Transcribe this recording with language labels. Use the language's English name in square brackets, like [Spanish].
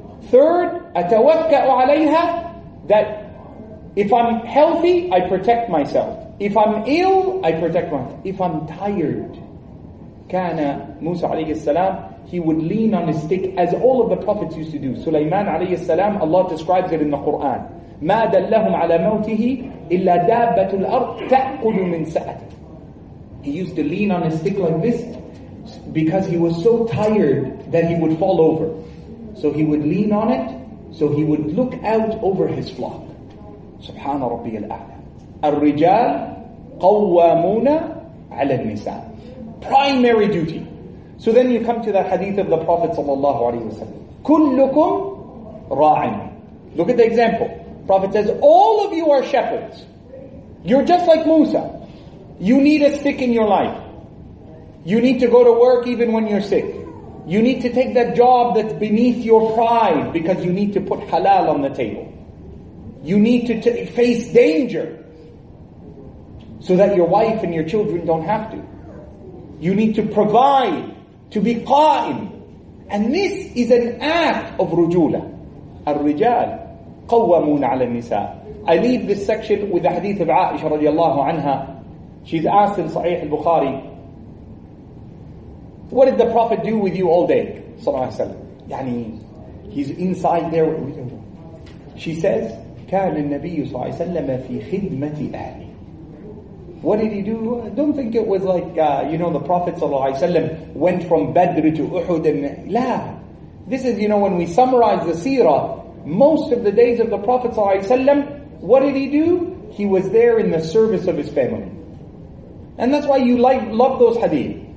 [English] Third, أتوكأ عليها, that if I'm healthy, I protect myself. If I'm ill, I protect myself. If I'm tired, كان موسى عليه السلام, he would lean on his stick as all of the prophets used to do. Sulaiman عليه السلام, Allah describes it in the Quran. [Arabic] ما دلهم على موته إلا دابة الأرض تأكل من سأته. [English] He used to lean on his stick like this because he was so tired that he would fall over. So he would lean on it, so he would look out over his flock. [Arabic] سبحان ربي الأعلى. الرجال قوامون على النساء. [English] Primary duty. So then you come to that hadith of the Prophet صلى الله عليه وسلم. كلكم راعٍ. Look at the example. Prophet says, all of you are shepherds. You're just like Musa. You need a stick in your life. You need to go to work even when you're sick. You need to take that job that's beneath your pride because you need to put halal on the table. You need to face danger so that your wife and your children don't have to. You need to provide, to be qa'im. And this is an act of rujula. [Arabic] Al-rijal قوامون على النساء. [English] I leave this section with the hadith of Aisha radiallahu anha. She's asked in Sahih al-Bukhari, what did the Prophet do with you all day? Sallallahu alayhi wa sallam. Yani, he's inside there. [Arabic] She says, كان النبي صلى الله عليه وسلم في خدمة أهلي. [English] What did he do? Don't think it was like, you know, the Prophet sallallahu alayhi wa sallam went from Badr to Uhud. [Arabic] لا. [English] This is, you know, when we summarize the seerah, most of the days of the Prophet sallallahu alayhi wa sallam, what did he do? He was there in the service of his family. And that's why you love those hadith.